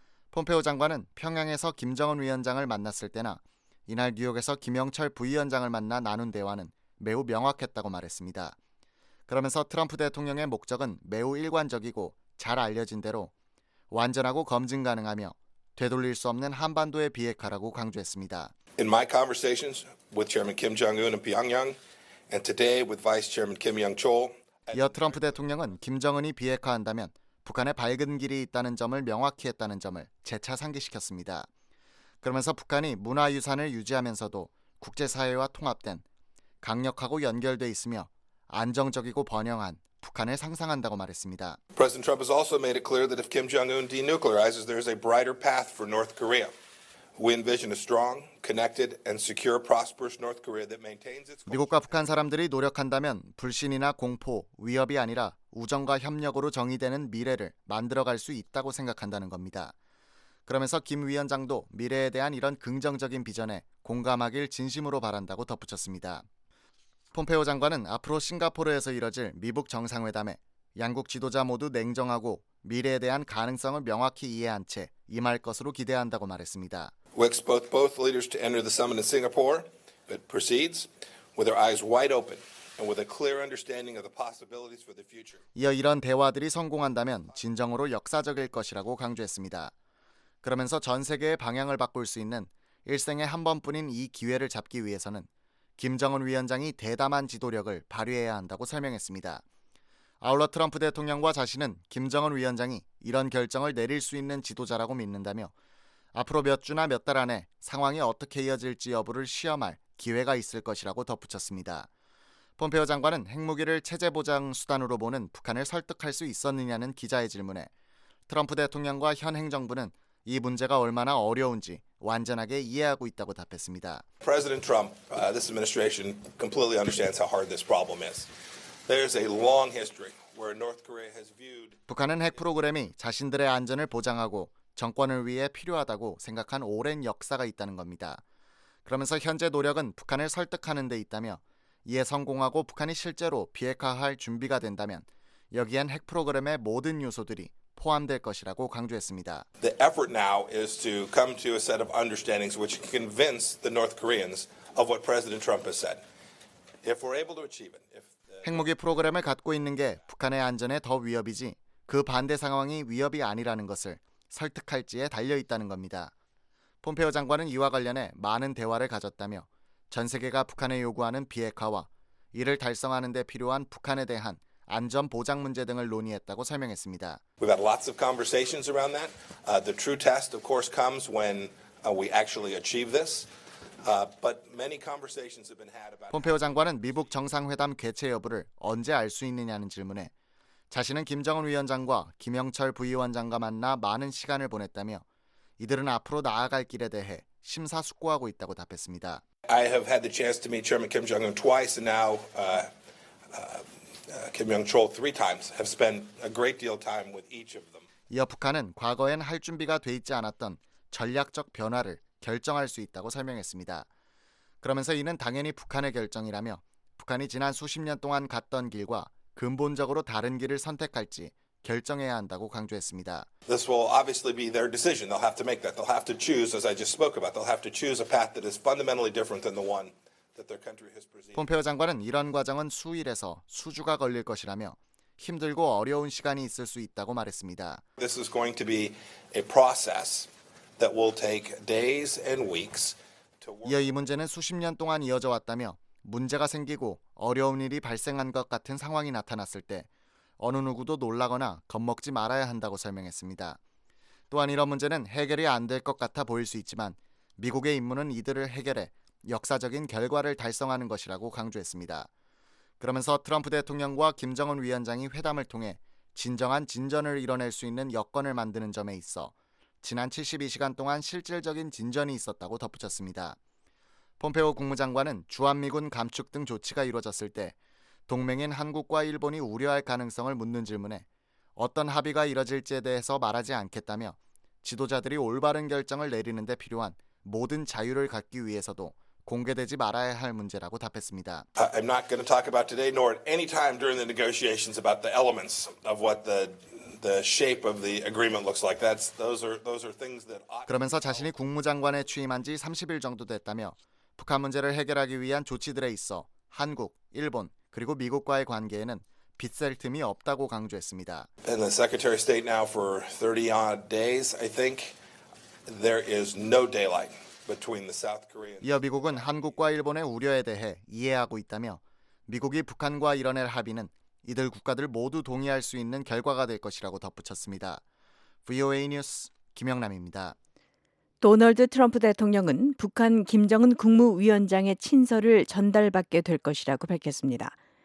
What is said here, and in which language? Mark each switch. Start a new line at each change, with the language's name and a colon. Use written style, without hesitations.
Korean: 폼페오 장관은 평양에서 김정은 위원장을 만났을 때나 이날 뉴욕에서 김영철 부위원장을 만나 나눈 대화는 매우 명확했다고 말했습니다. 그러면서 트럼프 대통령의 목적은 매우 일관적이고 잘 알려진 대로 완전하고 검증 가능하며 되돌릴 수 없는 한반도의 비핵화라고 강조했습니다.
English: In my conversations with Chairman Kim Jong-un in Pyongyang and today with Vice Chairman Kim Young-chol.
Korean: 이어 트럼프 대통령은 김정은이 비핵화한다면 북한의 밝은 길이 있다는 점을 명확히 했다는 점을 재차 상기시켰습니다. 그러면서 북한이 문화유산을 유지하면서도 국제사회와 통합된 강력하고 연결돼 있으며 안정적이고 번영한 북한을 상상한다고 말했습니다.
English: President Trump has also made it clear that if Kim Jong-un denuclearizes, there is a brighter path for North Korea. We envision a strong, connected, and secure, prosperous North Korea that maintains its.
Korean: 미국과 북한 사람들이 노력한다면 불신이나 공포, 위협이 아니라 우정과 협력으로 정의되는 미래를 만들어갈 수 있다고 생각한다는 겁니다. 그러면서 김 위원장도 미래에 대한 이런 긍정적인 비전에 공감하길 진심으로 바란다고 덧붙였습니다. 폼페오 장관은 앞으로 싱가포르에서 이뤄질 미북 정상회담에 양국 지도자 모두 냉정하고 미래에 대한 가능성을 명확히 이해한 채 임할 것으로 기대한다고 말했습니다.
English: We expect both leaders to enter the summit in Singapore, but proceeds with their eyes wide open and with a clear understanding of the possibilities for the future.
Korean: 이어 이런 대화들이 성공한다면 진정으로 역사적일 것이라고 강조했습니다. 그러면서 전 세계의 방향을 바꿀 수 있는 일생에 한 번뿐인 이 기회를 잡기 위해서는 김정은 위원장이 대담한 지도력을 발휘해야 한다고 설명했습니다. 아울러 트럼프 대통령과 자신은 김정은 위원장이 이런 결정을 내릴 수 있는 지도자라고 믿는다며 앞으로 몇 주나 몇 달 안에 상황이 어떻게 이어질지 여부를 시험할 기회가 있을 것이라고 덧붙였습니다. 폼페오 장관은 핵무기를 체제 보장 수단으로 보는 북한을 설득할 수 있었느냐는 기자의 질문에 트럼프 대통령과 현 행정부는 이 문제가 얼마나 어려운지 완전하게 이해하고 있다고 답했습니다.
English: President Trump, this administration completely understands how hard this problem is. There's a long history where North Korea has viewed.
Korean: 북한은 핵 프로그램이 자신들의 안전을 보장하고 정권을 위해 필요하다고 생각한 오랜 역사가 있다는 겁니다. 그러면서 현재 노력은 북한을 설득하는 데 있다며 이에 성공하고 북한이 실제로 비핵화할 준비가 된다면 여기엔 핵 프로그램의 모든 요소들이 포함될 것이라고 강조했습니다.
English: The effort now is to come to a set of understandings which can convince the North Koreans of what President Trump has said. If we're able to achieve it, if
Korean: 핵무기 프로그램을 갖고 있는 게 북한의 안전에 더 위협이지 그 반대 상황이 위협이 아니라는 것을 설득할지에 달려있다는 겁니다. 폼페오 장관은 이와 관련해 많은 대화를 가졌다며 전 세계가 북한에 요구하는 비핵화와 이를 달성하는 데 필요한 북한에 대한 안전 보장 문제 등을 논의했다고 설명했습니다.
English: We've had lots of conversations around that. The true test, of course, comes when we actually achieve this. But many conversations have been had about.
Korean: 폼페오 장관은 미북 정상회담 개최 여부를 언제 알 수 있느냐는 질문에 자신은 김정은 위원장과 김영철 부위원장과 만나 많은 시간을 보냈다며 이들은 앞으로 나아갈 길에 대해 심사숙고하고 있다고 답했습니다.
English: I have had the chance to meet Chairman Kim Jong-un twice and now Kim Young-chol three times. Have spent a great deal of time with each of them.
Korean: 이어 북한은 과거엔 할 준비가 돼 있지 않았던 전략적 변화를 결정할 수 있다고 설명했습니다. 그러면서 이는 당연히 북한의 결정이라며 북한이 지난 수십 년 동안 갔던 길과 근본적으로 다른 길을 선택할지 결정해야 한다고 강조했습니다.
English: This will obviously be their decision. They'll have to make that. They'll have to choose, as I just spoke about. They'll have to choose a path that is fundamentally different than the one that their country has presented.
Korean: 폼페오 장관은 이런 과정은 수일에서 수주가 걸릴 것이라며 힘들고 어려운 시간이 있을 수 있다고 말했습니다.
English: This is going to be a process that will take days and weeks.
Korean: 이어 이 문제는 수십 년 동안 이어져 왔다며 문제가 생기고 어려운 일이 발생한 것 같은 상황이 나타났을 때 어느 누구도 놀라거나 겁먹지 말아야 한다고 설명했습니다. 또한 이런 문제는 해결이 안 될 것 같아 보일 수 있지만 미국의 임무는 이들을 해결해 역사적인 결과를 달성하는 것이라고 강조했습니다. 그러면서 트럼프 대통령과 김정은 위원장이 회담을 통해 진정한 진전을 이뤄낼 수 있는 여건을 만드는 점에 있어 지난 72시간 동안 실질적인 진전이 있었다고 덧붙였습니다. 폼페오 국무장관은 주한미군 감축 등 조치가 이루어졌을 때 동맹인 한국과 일본이 우려할 가능성을 묻는 질문에 어떤 합의가 이뤄질지에 대해서 말하지 않겠다며 지도자들이 올바른 결정을 내리는 데 필요한 모든 자유를 갖기 위해서도 공개되지 말아야 할 문제라고 답했습니다.
English: I'm not going to talk about today nor at any time during the negotiations about the elements of what the shape of the agreement looks like. Those are things that
Korean: 그러면서 자신이 국무장관에 취임한 지 30일 정도 됐다며 북한 문제를 해결하기 위한 조치들에 있어 한국, 일본 그리고 미국과의 관계에는 빗셀 틈이 없다고 강조했습니다.
English: And the Secretary of State now for 30 odd days, I think there is no daylight between the South Korean.
Korean: 이어 미국은 한국과 일본의 우려에 대해 이해하고 있다며 미국이 북한과 이뤄낼 합의는 이들 국가들 모두 동의할 수 있는 결과가 될 것이라고 덧붙였습니다. VOA 뉴스 김영남입니다. 도널드 트럼프 대통령은 북한 김정은 국무위원장의 친서를 전달받게 될 것이라고 밝혔습니다.